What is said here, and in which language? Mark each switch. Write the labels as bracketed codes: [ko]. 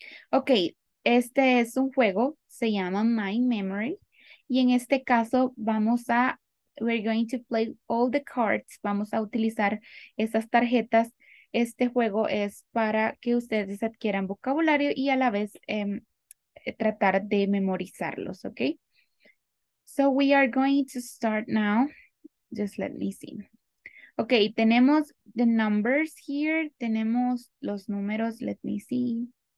[es] Okay, este es un juego, se llama [en] My Memory. [es] Y en este caso [en] we're going to play all the cards. [es] Vamos a utilizar esas tarjetas. Este juego es para que ustedes adquieran vocabulario y a la vez tratar de memorizarlos, [en] ¿ok? So we are going to start now. Just let me see. [es] Ok, tenemos [en] the numbers here. [es] Tenemos los números. [en] Let me see.